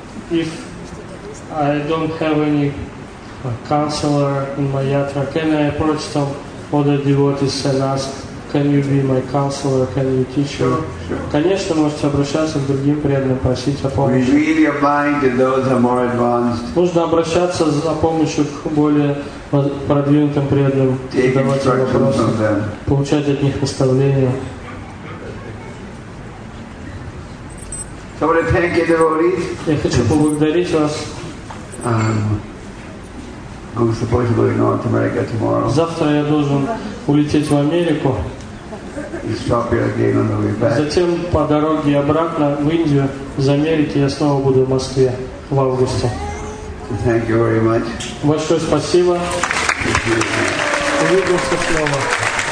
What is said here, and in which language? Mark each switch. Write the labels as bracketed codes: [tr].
[en] If I don't have any counselor in my yatra, can I approach some other devotees and ask, can you be my counselor, can you teach me? [ru] Конечно, можете обращаться к другим преданным, просить о помощи. [en] We really apply to those who are more advanced. [ru] Нужно обращаться за помощью к более продвинутым преданным, задавать вопросы, получать от них наставления. [en] So I want to thank you, devotees. [ru] Я хочу поблагодарить вас. [en] I'm supposed to go to North America tomorrow. [ru] Завтра я должен улететь в Америку. [en] Stop here again on the way back. [ru] Затем по дороге обратно в Индию, из Америки я снова буду в Москве в августе. [en] Thank you very much. [ru] Большое спасибо. Увидимся снова.